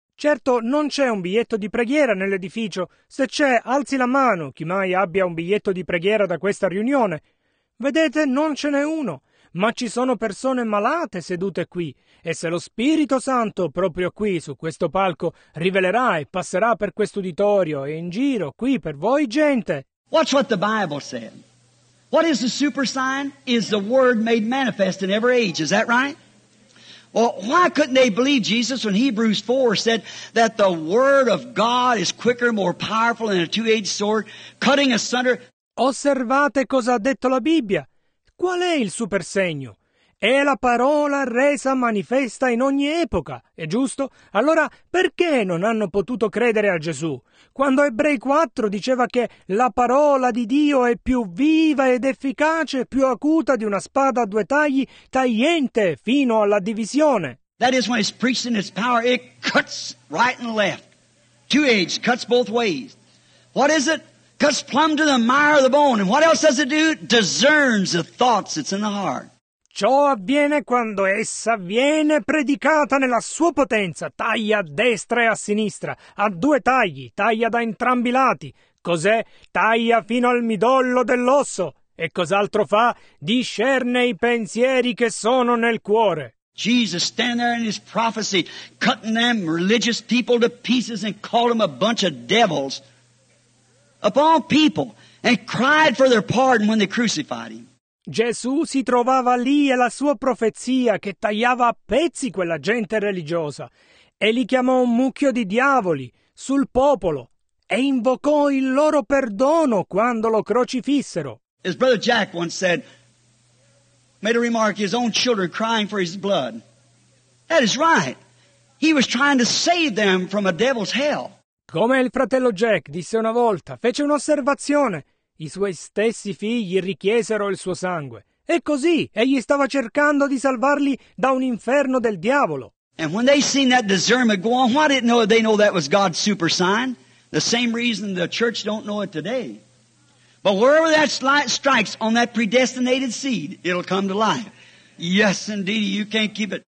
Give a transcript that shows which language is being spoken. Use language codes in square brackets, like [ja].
[it] Certo, non c'è un biglietto di preghiera nell'edificio. Se c'è, alzi la mano, chi mai abbia un biglietto di preghiera da questa riunione. Vedete, non ce n'è uno. Ma ci sono persone malate sedute qui, e se lo Spirito Santo proprio qui su questo palco rivelerà e passerà per questo uditorio e in giro qui per voi gente. [en] Watch what the Bible said. What is the super sign? Is the word made manifest in every age, is that right? Well, why couldn't they believe Jesus when Hebrews 4 said that the word of God is quicker, more powerful than a two-edged sword, cutting asunder? [it] Osservate cosa ha detto la Bibbia. Qual è il supersegno? È la parola resa manifesta in ogni epoca, è giusto? Allora perché non hanno potuto credere a Gesù? Quando Ebrei 4 diceva che la parola di Dio è più viva ed efficace, più acuta di una spada a due tagli, tagliente fino alla divisione. [en] That is when it's preached in its power, it cuts right and left. Two edged, cuts both ways. What is it? Cuts plumb to the mire of the bone. And what else does it do? Discerns the thoughts that's in the heart. [it] Ciò avviene quando essa viene predicata nella sua potenza. Taglia a destra e a sinistra. A due tagli. Taglia da entrambi i lati. Cos'è? Taglia fino al midollo dell'osso. E cos'altro fa? Discerne i pensieri che sono nel cuore. [en] Jesus stand there in his prophecy, cutting them religious people to pieces and called them a bunch of devils. Upon people and cried for their pardon when they crucified him. [it] Gesù si trovava lì e la sua profezia che tagliava a pezzi quella gente religiosa e li chiamò un mucchio di diavoli sul popolo e invocò il loro perdono quando lo crocifissero. [en] As Brother Jack once said, made a remark, his own children crying for his blood. That is right. He was trying to save them from a devil's hell. [it] Come il fratello Jack disse una volta, fece un'osservazione. I suoi stessi figli richiesero il suo sangue. E così, egli stava cercando di salvarli da un inferno del diavolo. [en] And when they seen that discernment go on, why didn't they know that was God's super sign? The same reason the church don't know it today. But wherever that light strikes on that predestinated seed, it'll come to life. Yes, indeed, you can't keep it.